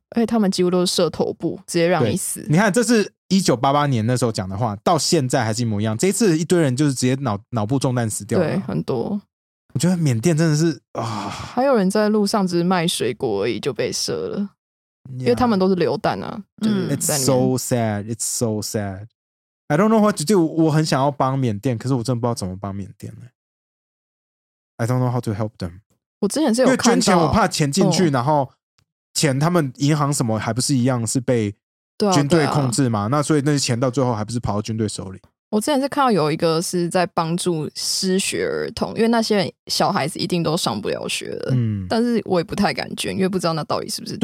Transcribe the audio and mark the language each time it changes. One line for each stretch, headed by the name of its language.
Chinese: 而且他们几乎都是射头部直接让你死。你看这是1988年那时候讲的话，到现在还是一模一样，这一次一堆人就是直接 脑部中弹死掉了。对，很多。我觉得缅甸真的是还有人在路上只是卖水果而已就被射了。因为他们都是榴弹啊，就是在那边。
English: It's so sad, it's so sad. I don't know what to do.
Chinese: 我很想要帮缅甸，可是我真的不知道怎么帮缅甸。
English: I don't know how to help them.
Chinese: 我之前是有看到，因为捐钱我怕钱进去，然后钱他们银行什么还不是一样是被军队控制嘛，对啊对啊，那所以那些钱到最后还不是跑到军队手里。我之前是看到有一个是在帮助失学儿童，因为那些小孩子一定都上不了学了，但是我也不太敢捐，因为不知道那到底是不是